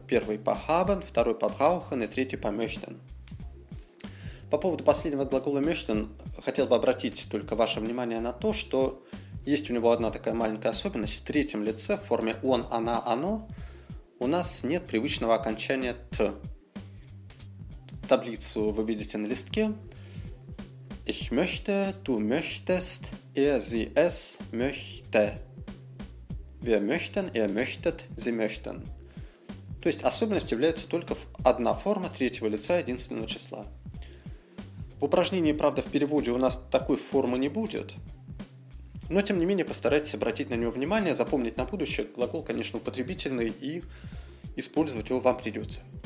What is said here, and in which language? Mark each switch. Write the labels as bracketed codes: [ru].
[ru] Первый по haben, второй по brauchen и третий по möchten. По поводу последнего глагола möchten хотел бы обратить только ваше внимание на то, что есть у него одна такая маленькая особенность. В третьем лице, в форме он, она, оно, у нас нет привычного окончания «т». Таблицу вы видите на листке. [de] Ich möchte, du möchtest, er, sie, es, möchte. Wir möchten, er möchtet, sie möchten. [ru] То есть особенность является только одна форма третьего лица единственного числа. В упражнении, правда, в переводе у нас такой формы не будет. Но, тем не менее, постарайтесь обратить на него внимание, запомнить на будущее. Глагол, конечно, употребительный, и использовать его вам придется.